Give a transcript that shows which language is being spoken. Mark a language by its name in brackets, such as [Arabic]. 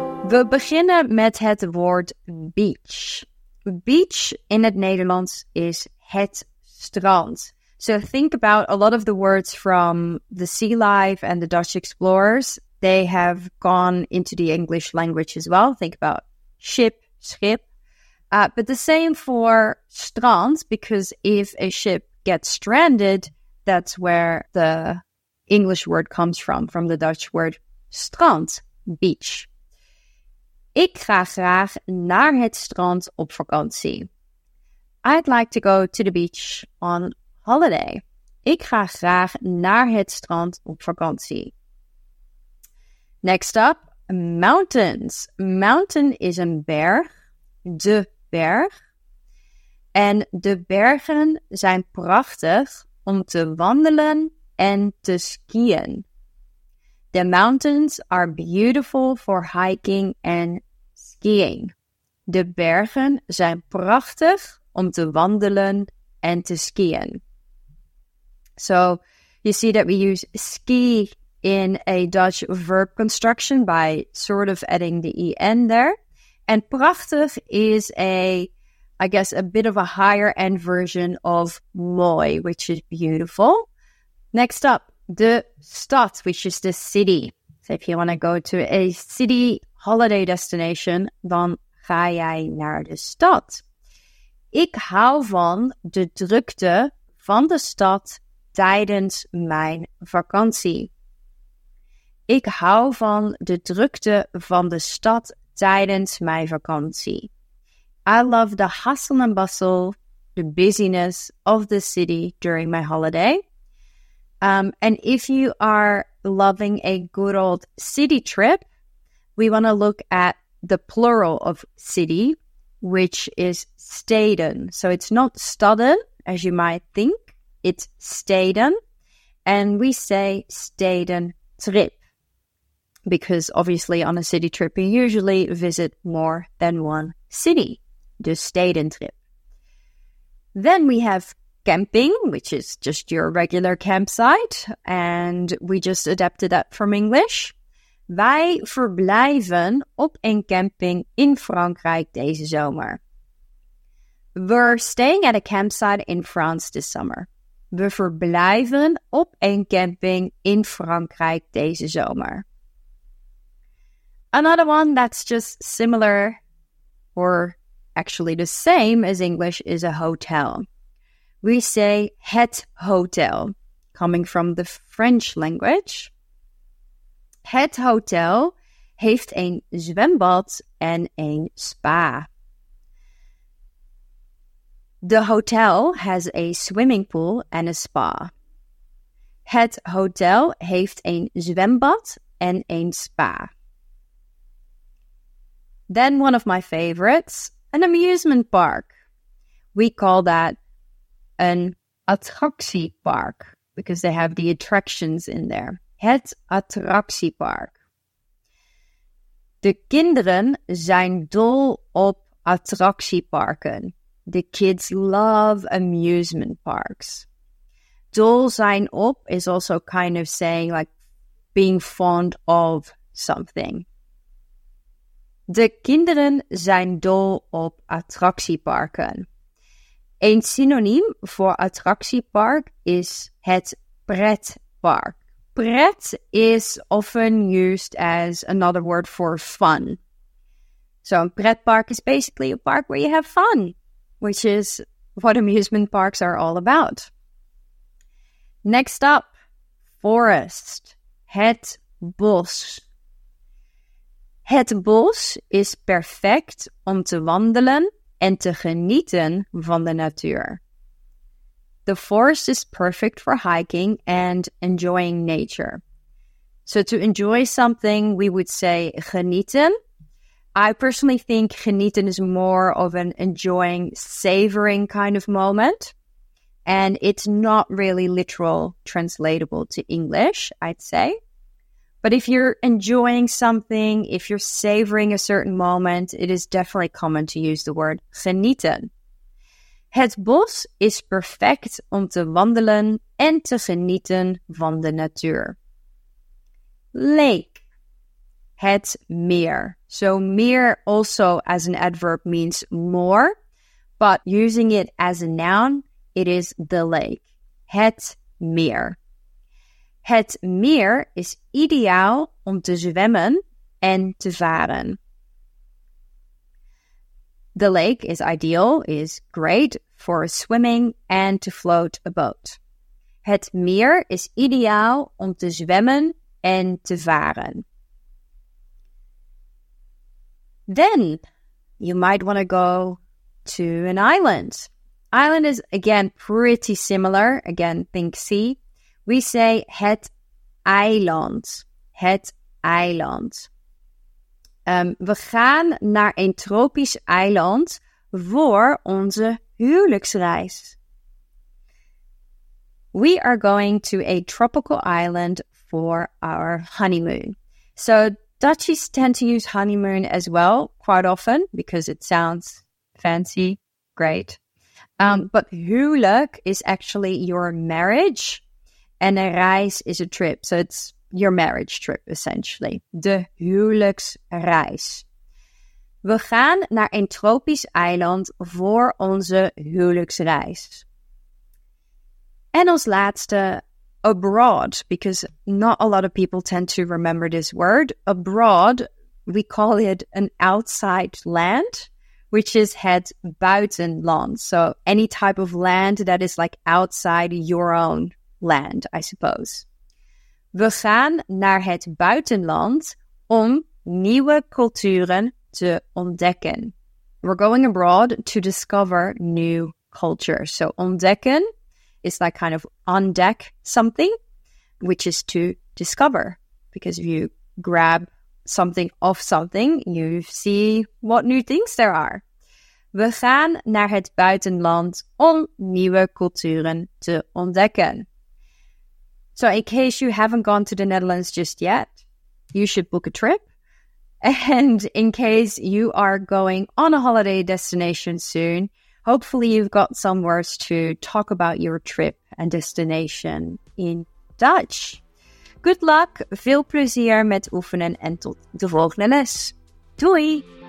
[Dutch] We beginnen met het woord beach. Beach in het Nederlands is het strand. [English] So think about a lot of the words from the sea life and the Dutch explorers. They have gone into the English language as well. Think about ship, schip. But the same for strand, because if a ship gets stranded, that's where the English word comes from the Dutch word strand, beach. [Dutch] Ik ga graag naar het strand op vakantie. [English] I'd like to go to the beach on holiday. [Dutch] Ik ga graag naar het strand op vakantie. [English] Next up, mountains. Mountain [Dutch] is een berg, de berg. En de bergen zijn prachtig om te wandelen en te skiën. [English] The mountains are beautiful for hiking and skiing. [Dutch] De bergen zijn prachtig om te wandelen en te skiën. [English] So, you see that we use ski in a Dutch verb construction by sort of adding the en there. And prachtig is a bit of a higher end version of mooi, which is beautiful. Next up, de stad, which is the city. So if you want to go to a city holiday destination, [Dutch] dan ga jij naar de stad. Ik hou van de drukte van de stad tijdens mijn vakantie. Ik hou van de drukte van de stad tijdens mijn vakantie. [English] I love the hustle and bustle, the busyness of the city during my holiday. And if you are loving a good old city trip, we want to look at the plural of city, which is steden. So it's not staden, as you might think. It's steden. And we say steden trip. Because obviously on a city trip, you usually visit more than one city. De stedentrip. Then we have camping, which is just your regular campsite. And we just adapted that from English. [Dutch] Wij verblijven op een camping in Frankrijk deze zomer. [English] We're staying at a campsite in France this summer. [Dutch] We verblijven op een camping in Frankrijk deze zomer. [English] Another one that's just similar, or actually the same as English, is a hotel. We say het hotel, coming from the French language. [Dutch] Het hotel heeft een zwembad en een spa. [English] The hotel has a swimming pool and a spa. [Dutch] Het hotel heeft een zwembad en een spa. [English] Then one of my favorites, an amusement park. We call that an attractiepark because they have the attractions in there. [Dutch] Het attractiepark. De kinderen zijn dol op attractieparken. [English] The kids love amusement parks. Dol zijn op is also kind of saying like being fond of something. [Dutch] De kinderen zijn dol op attractieparken. Een synoniem voor attractiepark is het pretpark. [English] Pret is often used as another word for fun. So a pretpark is basically a park where you have fun, which is what amusement parks are all about. Next up, forest. Het bos. [Dutch] Het bos is perfect om te wandelen en te genieten van de natuur. [English] The forest is perfect for hiking and enjoying nature. So to enjoy something, we would say genieten. I personally think genieten is more of an enjoying, savoring kind of moment. And it's not really literal, translatable to English, I'd say. But if you're enjoying something, if you're savoring a certain moment, it is definitely common to use the word genieten. [Dutch] Het bos is perfect om te wandelen en te genieten van de natuur. Lake. Het meer. [English] So meer also as an adverb means more, but using it as a noun, it is the lake. [Dutch] Het meer. Het meer is ideaal om te zwemmen en te varen. [English] The lake is ideal, is great for swimming and to float a boat. [Dutch] Het meer is ideaal om te zwemmen en te varen. [English] Then, you might want to go to an island. Island is, again, pretty similar. Again, think sea. We say [Dutch] het eiland. Het eiland. We gaan naar een tropisch eiland voor onze huwelijksreis. [English] We are going to a tropical island for our honeymoon. So Dutchies tend to use honeymoon as well quite often because it sounds fancy, great. But huwelijk is actually your marriage. And a reis is a trip, so it's your marriage trip, essentially. [Dutch] De huwelijksreis. We gaan naar een tropisch eiland voor onze huwelijksreis. En als laatste, [English] abroad, because not a lot of people tend to remember this word. Abroad, we call it an outside land, which is het buitenland. So any type of land that is like outside your own land, I suppose. [Dutch] We gaan naar het buitenland om nieuwe culturen te ontdekken. [English] We're going abroad to discover new culture. So ontdekken is like kind of on deck something, which is to discover. Because if you grab something off something, you see what new things there are. [Dutch] We gaan naar het buitenland om nieuwe culturen te ontdekken. [English] So in case you haven't gone to the Netherlands just yet, you should book a trip. And in case you are going on a holiday destination soon, hopefully you've got some words to talk about your trip and destination in Dutch. Good luck, [Dutch] veel plezier met oefenen en tot de volgende les. Doei!